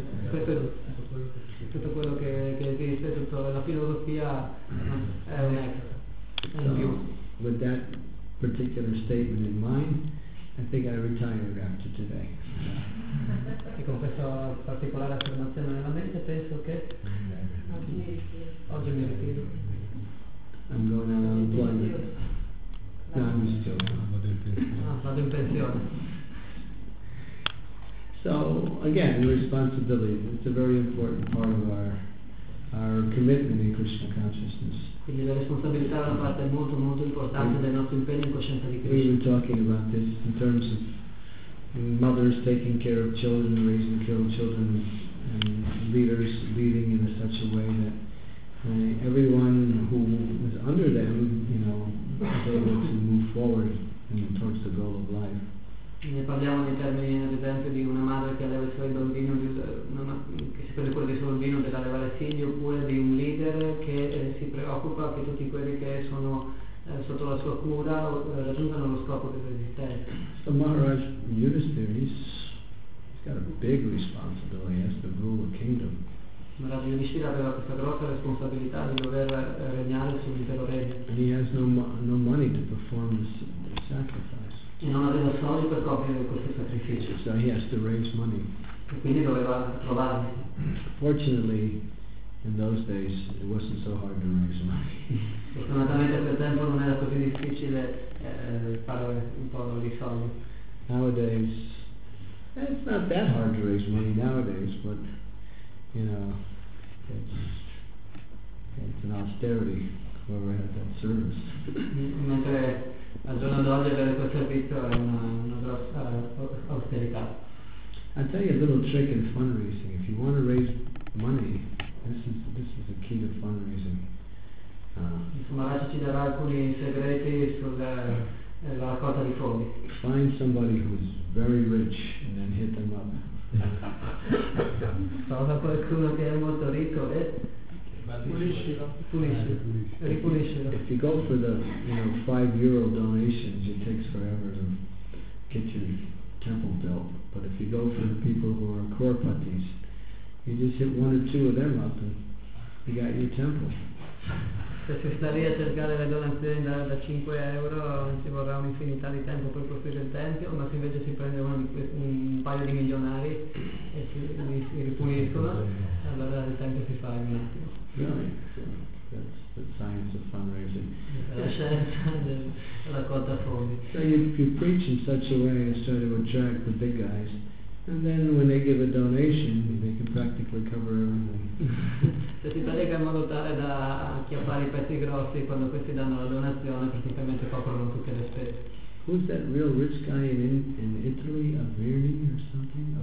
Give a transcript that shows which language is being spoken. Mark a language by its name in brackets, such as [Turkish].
[Italian] Questo è tutto quello che esiste, tutto la filosofia è un extra. [English] So, with that particular statement in mind, I think I retired after today. [Italian] E con questa particolare affermazione nella mente penso che oggi mi ritiro. [English] I'm going out on employment. No, I'm just joking. [Italian] Vado in pensione. [English] So again, responsibility. It's a very important part of our commitment in Krishna consciousness. [Italian] Quindi la responsabilità è una parte molto molto importante del nostro impegno in coscienza di Krishna. [English] We've been talking about this in terms of mothers taking care of children, raising children, and leaders leading in such a way that everyone who is under them, you know, is able to move forward towards the goal of life. [Italian] Ne parliamo in termini, ad esempio, di una madre che alleva i suoi bambini, che si prende cura dei suoi bambini, deve allevare figli, oppure di un leader che si preoccupa che tutti quelli che sono sotto la sua cura raggiungano lo scopo dell'esistenza. [English] So Maharaj Yudhisthira, he's got a big responsibility as the ruler of the kingdom. [Italian] Maharaj Yudhishthira aveva questa grossa responsabilità di dover regnare sull'intero regno. [English] And he has no money to perform this sacrifice. [Italian] E non aveva soldi per compiere questo sacrificio. [English] So he has to raise money. [Italian] E quindi doveva trovarli. [English] Fortunately, in those days, it wasn't so hard to raise money. [Italian] Fortunatamente per tempo non era così difficile fare un po' di soldi. [English] Nowadays, it's not that hard to raise money nowadays, but you know, it's an austerity whoever had that service. [Italian] Mentre al giorno d'oggi avere quel servizio è una grossa austerità. [English] I'll tell you a little trick in fundraising. If you want to raise money, this is the key to fundraising. [Italian] Maharaj ci darà alcuni segreti sulla raccolta di fondi. [English] Find somebody who's very rich and then hit them up. [Italian] Trova qualcuno che è molto ricco e ripuliscilo. [English] If you go for the, you know, 5 euro donations, it takes forever to get your temple built. But if you go for the people who are Kaurapatis, you just hit one or two of them up and you got your temple. [Italian] Se si sta lì a cercare le donazioni da 5 euro non ci vorrà un'infinità di tempo per costruire il tempio, ma se invece si prende un paio di milionari e si ripuliscono, allora il tempio si fa in un attimo. [English] That's the science of fundraising. [Italian] La scienza della raccolta fondi. [English] So you preach in such a way as to attract the big guys, and then when they give a donation, they can practically cover everything. [Italian] Se si predica in modo tale da acchiappare i pezzi grossi, quando questi danno la donazione, praticamente coprono tutte le spese. [English] Who's that real rich guy in Italy, Averni or something?